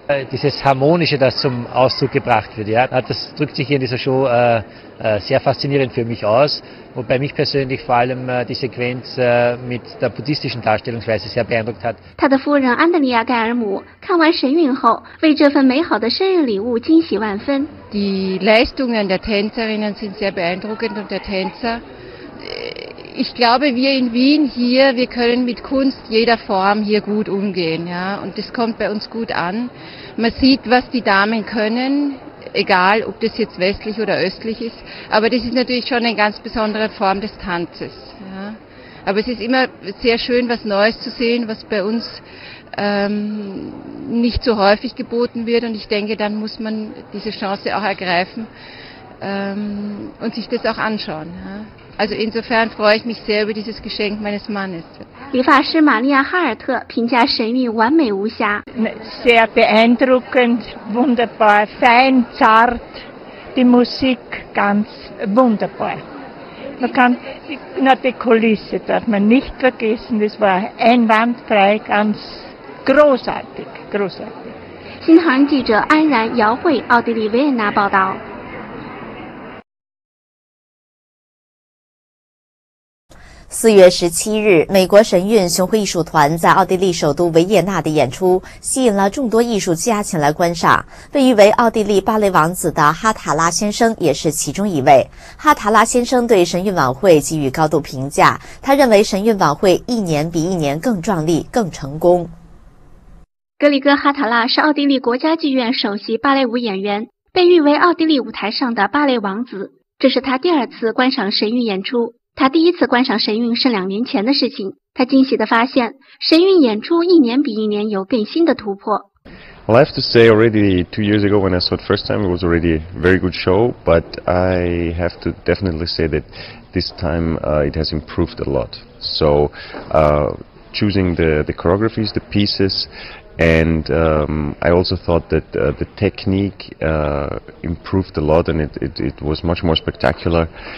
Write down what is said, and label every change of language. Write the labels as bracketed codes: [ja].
[de] Dieses Harmonische, das zum Ausdruck gebracht wird, ja, das drückt sich hier in dieser Show sehr faszinierend für mich aus, wobei mich persönlich vor allem die Sequenz mit der buddhistischen Darstellungsweise sehr beeindruckt hat. [zh] 他的夫人安德烈亚·盖尔姆看完神韵后，为这份美好的生日礼物惊喜万分。 [de] Die Leistungen der Tänzerinnen sind sehr beeindruckend und der Tänzer. Ich glaube, wir in Wien hier, wir können mit Kunst jeder Form hier gut umgehen, ja. Und das kommt bei uns gut an. Man sieht, was die Damen können, egal ob das jetzt westlich oder östlich ist. Aber das ist natürlich schon eine ganz besondere Form des Tanzes, ja. Aber es ist immer sehr schön, was Neues zu sehen, was bei uns, nicht so häufig geboten wird. Und ich denke, dann muss man diese Chance auch ergreifen, und sich das auch anschauen, ja. Also insofern freue ich mich sehr über dieses Geschenk meines Mannes. [zh] 理发师玛利亚·哈尔特评价神韵完美无瑕。 [de] Sehr beeindruckend, wunderbar, fein, zart, die Musik ganz wunderbar. Man kann, na, die Kulisse darf man nicht vergessen, das war einwandfrei, ganz großartig, großartig. [zh] 新唐记者安然、姚慧，奥地利维也纳报道。 4月17日，美国神韵巡回艺术团在奥地利首都维也纳的演出吸引了众多艺术家前来观赏。被誉为奥地利芭蕾王子的哈塔拉先生也是其中一位。哈塔拉先生对神韵晚会给予高度评价，他认为神韵晚会一年比一年更壮丽、更成功。格里戈·哈塔拉是奥地利国家剧院首席芭蕾舞演员，被誉为奥地利舞台上的芭蕾王子。这是他第二次观赏神韵演出。他第一次观赏神韵是两年前的事情。他惊喜地发现，神韵演出一年比一年有更新的突破。 [en] Well, I have to say, already 2 years ago when I saw it first time, it was already a very good show. But I have to definitely say that this time it has improved a lot. So choosing the choreographies, the pieces, and I also thought that the technique improved a lot, and it was much more spectacular.